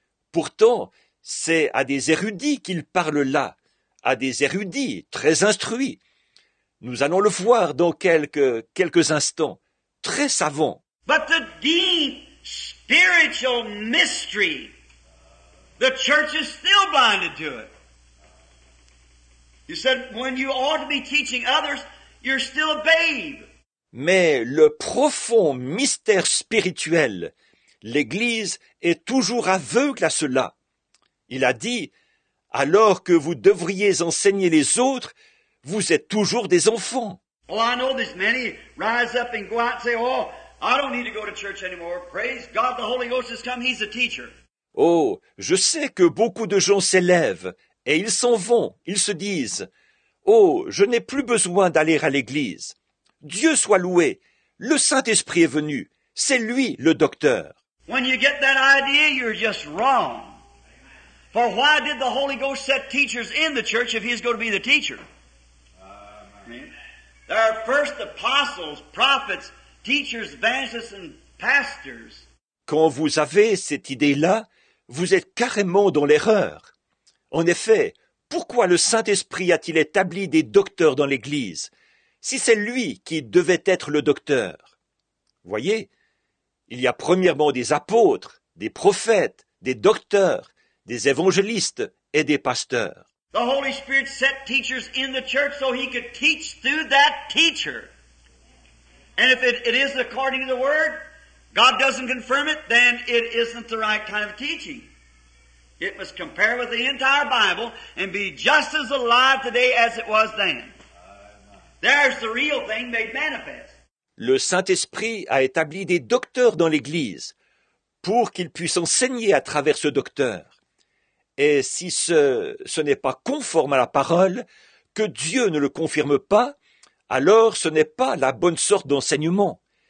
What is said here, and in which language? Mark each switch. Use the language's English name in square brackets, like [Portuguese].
[French] Pourtant, c'est à des érudits qu'il parle là, à des érudits très instruits. Nous allons le voir dans quelques instants. Très savants. [English] But the deep spiritual mystery, the church is still blinded to it. You said when you ought to be teaching others, you're still a babe. [French] Mais le profond mystère spirituel, l'Église est toujours aveugle à cela. Il a dit, alors que vous devriez enseigner les autres, vous êtes toujours des enfants. [English] Well, I know there's many rise up and go out and say, oh, I don't need to go to church anymore. Praise God, the Holy Ghost has come, he's a teacher. [French] Oh, je sais que beaucoup de gens s'élèvent et ils s'en vont. Ils se disent, oh, je n'ai plus besoin d'aller à l'église. Dieu soit loué, le Saint-Esprit est venu. C'est lui le docteur. [English] When you get that idea, you're just wrong. For why did the Holy Ghost set teachers in the church if he's going to be the teacher? There are first apostles, prophets, teachers, evangelists, and pastors. [French] Quand vous avez cette idée-là, vous êtes carrément dans l'erreur. En effet, pourquoi le Saint-Esprit a-t-il établi des docteurs dans l'Église, si c'est lui qui devait être le docteur? Voyez, il y a premièrement des apôtres, des prophètes, des docteurs, des évangélistes et des pasteurs. [English] The Holy Spirit set teachers in the church so he could teach through that teacher. And if it is according to the word, God doesn't confirm it, then it isn't the right kind of teaching. It must compare with the entire Bible and be just as alive today as it was then. There's the real thing made manifest. [French] Le Saint-Esprit a établi des docteurs dans l'Église pour qu'ils puissent enseigner à travers ce docteur. Et si ce n'est pas conforme à la parole, que Dieu ne le confirme pas, alors ce n'est pas la bonne sorte d'enseignement.